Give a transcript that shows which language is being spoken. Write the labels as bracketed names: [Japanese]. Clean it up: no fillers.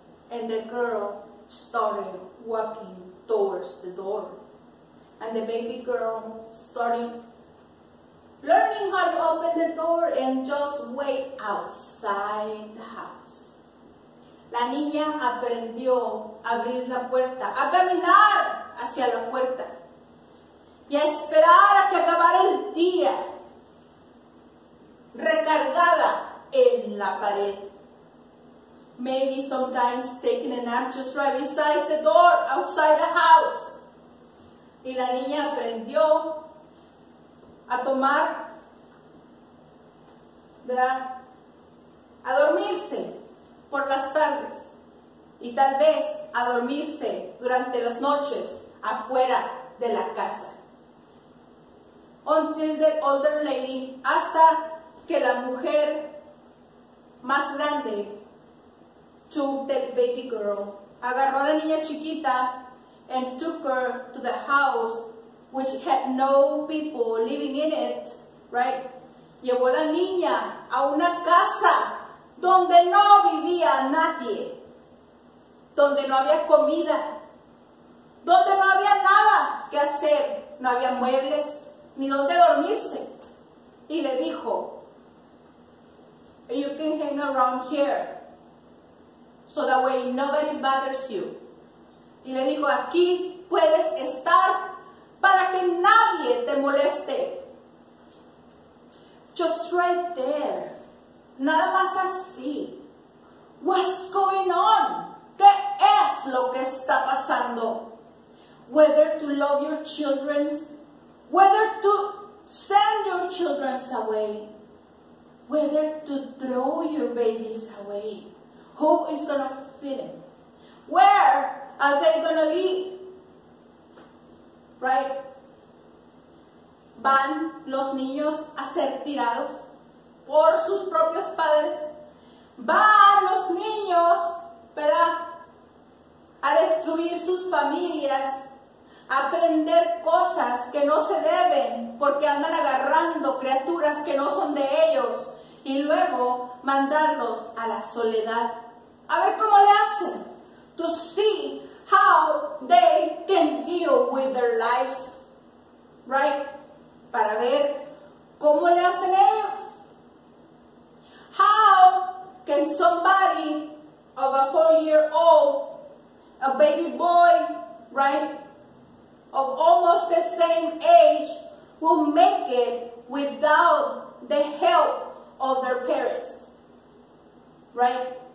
[English] And the girl started walking towards the door. And the baby girl started learning how to open the door and just wait outside the house. [Spanish] La niña aprendió a abrir la puerta, a caminar hacia la puerta. y a esperar a que acabara el día, recargada en la pared. [English] Maybe sometimes taking a nap just right beside the door, outside the house. [Spanish] Y la niña aprendió a tomar, ¿verdad? A dormirse por las tardes. Y tal vez a dormirse durante las noches afuera de la casa. [English] Until the older lady, [Spanish] hasta que la mujer más grande [English] took the baby girl, [Spanish] agarró a la niña chiquita [English] and took her to the house which had no people living in it, right? [Spanish] Llevó a la niña a una casa donde no vivía nadie, donde no había comida, donde no había nada que hacer, no había muebles, ni donde dormirse. Y le dijo, [English] "You can hang around here, so that way nobody bothers you." [Spanish] Y le dijo, "Aquí puedes estar para que nadie te moleste." [English] Just right there. [Spanish] Nada más así. [English] What's going on? [Spanish] ¿Qué es lo que está pasando? [English] Whether to love your children, whether to send your children away, whether to throw your babies away. Who is going to feed them? Where are they going to live? Right? [Spanish] ¿Van los niños a ser tirados por sus propios padres? ¿Van los niños, verdad, a destruir sus familias, a aprender cosas que no se deben porque andan agarrando criaturas que no son de ellos y luego mandarlos a la soledad? A ver cómo le hacen. [English] To see how they can deal with their lives. Right? [Spanish] Para ver cómo le hacen ellos. [English] How can somebody of a 4-year-old, a baby boy, right, of almost the same age, will make it without the help of their parents? Right?